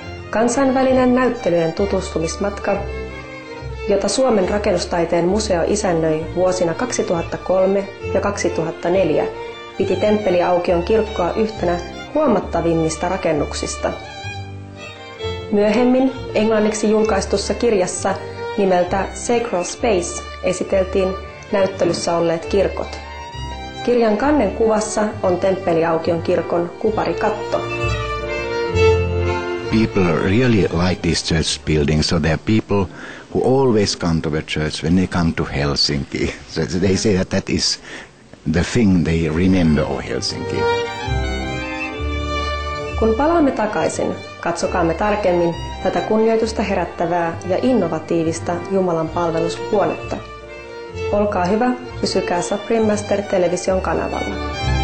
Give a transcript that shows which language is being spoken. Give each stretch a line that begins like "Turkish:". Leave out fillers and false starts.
Finnish: Kansainvälinen näyttelyjen tutustumismatka, jota Suomen rakennustaiteen museo isännöi vuosina 2003 ja 2004, piti temppeliaukion kirkkoa yhtenä huomattavimmista rakennuksista. Myöhemmin englanniksi julkaistussa kirjassa nimeltä Sacral Space esiteltiin näyttelyssä olleet kirkot. Kirjan kannen kuvassa on temppeliaukion kirkon kuparikatto.
English: People really like this church building, so there are people who always come to the church when they come to Helsinki. So they say that that is the thing they remember of Helsinki.
Finnish: Kun palaamme takaisin, katsokaamme tarkemmin tätä kunnioitusta herättävää ja innovatiivista Jumalan palvelushuonetta. Olkaa hyvä, pysykää Supreme Master-television kanavalla.